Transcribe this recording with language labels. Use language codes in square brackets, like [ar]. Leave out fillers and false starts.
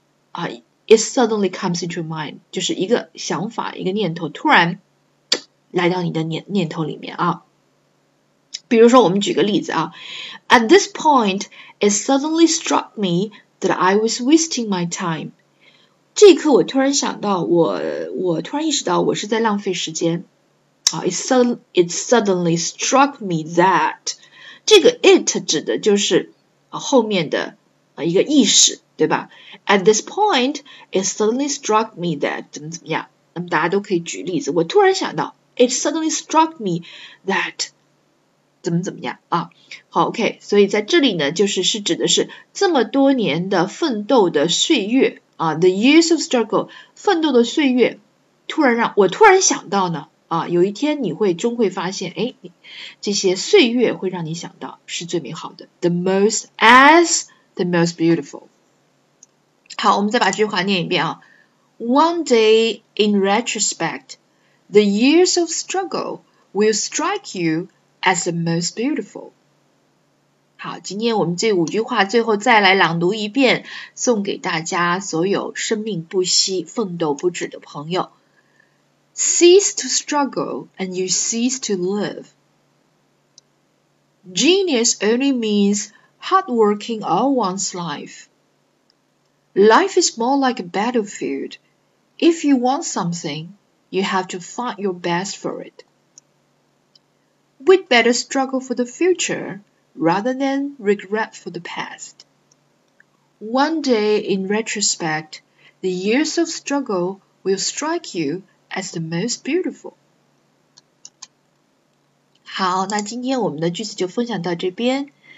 [zh] 啊 , [en] it suddenly comes into your mind, [zh] 就是一个想法，一个念头突然来到你的 念头里面啊。比如说我们举个例子啊 [en] ,At this point, it suddenly struck me,that I was wasting my time. [zh] 这一刻我突然想到我突然意识到我是在浪费时间。 [en] It suddenly struck me that. [zh] 这个 it 指的就是后面的一个意识，对吧？ [en] At this point, it suddenly struck me that, [zh] 怎么怎么样。那么大家都可以举例子。我突然想到 [en] it suddenly struck me that. [zh] 怎么怎么样啊？好 ，OK， 所以在这里呢，就是是指的是这么多年的奋斗的岁月啊 ， [en] the years of struggle， [zh] 奋斗的岁月，突然让我突然想到呢啊，有一天你会终会发现，哎，这些岁月会让你想到是最美好的 ， [en] the most as the most beautiful。 [zh] 好，我们再把这句话念一遍啊 [en] ，One day in retrospect， the years of struggle will strike you。 As the most beautiful. [zh] 好，今天我们这五句话最后再来朗读一遍，送给大家所有生命不息、奋斗不止的朋友。 [en] Cease to struggle and you cease to live. Genius only means hardworking all one's life. Life is more like a battlefield. If you want something, you have to fight your best for it. We'd better struggle for the future rather than regret for the past. One day in retrospect, the years of struggle will strike you as the most beautiful. [zh] 好，那今天我们的句子就分享到这边。